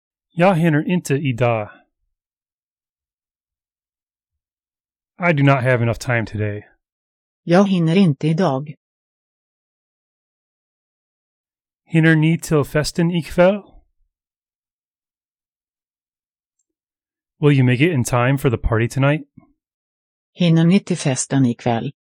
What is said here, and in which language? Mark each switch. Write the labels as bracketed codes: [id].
[sv] Jag hinner inte idag. [en] I do not have enough time today. [sv] Jag hinner inte idag. Hinner ni till festen ikväll? [en] Will you make it in time for the party tonight? [sv] Hinner ni till festen ikväll?